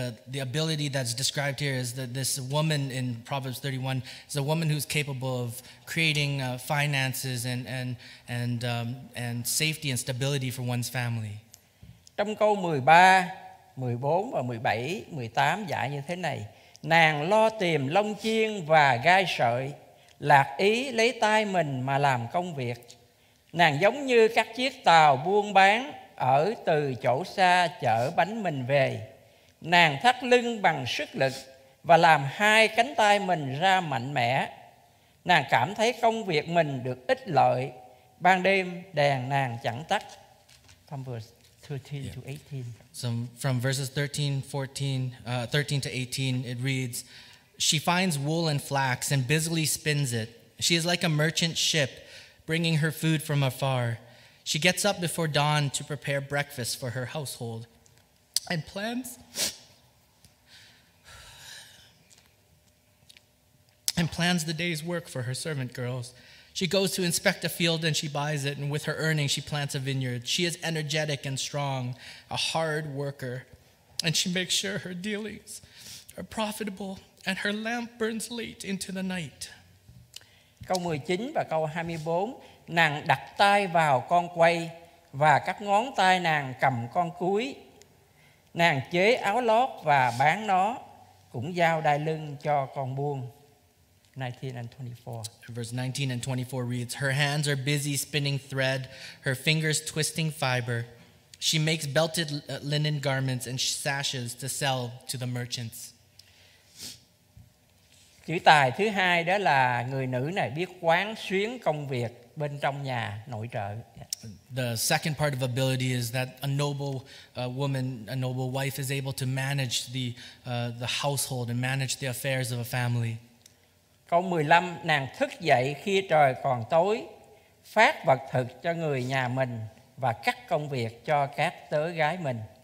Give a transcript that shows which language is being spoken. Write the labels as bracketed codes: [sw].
[en] The ability that's described here is that this woman in Proverbs 31 is a woman who's capable of creating finances and safety and stability for one's family. [vi] Trong câu 13, 14 và 17, 18 dạy như thế này: nàng lo tìm lông chiên và gai sợi, lạc ý lấy tay mình mà làm công việc. Nàng giống như các chiếc tàu buôn bán ở từ chỗ xa chở bánh mình về. Nàng thắt lưng bằng sức lực và làm hai cánh tay mình ra mạnh mẽ. Nàng cảm thấy công việc mình được ích lợi. Ban đêm đèn nàng chẳng tắt. [en] From verses 13 to 18, it reads: she finds wool and flax and busily spins it. She is like a merchant ship, bringing her food from afar. She gets up before dawn to prepare breakfast for her household and plans the day's work for her servant girls. She goes to inspect a field and she buys it, and with her earnings she plants a vineyard. She is energetic and strong, a hard worker, and she makes sure her dealings are profitable and her lamp burns late into the night. [vi] Câu 19 và câu 24, nàng đặt tay vào con quay và các ngón tay nàng cầm con cúi. Nàng chế áo lót và bán nó, cũng giao đai lưng cho con buôn. [en] 19 and 24. Verse 19 and 24 reads, her hands are busy spinning thread, her fingers twisting fiber. She makes belted linen garments and sashes to sell to the merchants. [vi] Chữ tài thứ hai đó là người nữ này biết quán xuyến công việc bên trong nhà nội trợ. Yeah. [en] The second part of ability is that a noble woman, a noble wife, is able to manage the household and manage the affairs of a family. [vi] Câu 15, nàng thức dậy khi trời còn tối, phát vật thực cho người nhà mình và cắt công việc cho các tớ gái mình.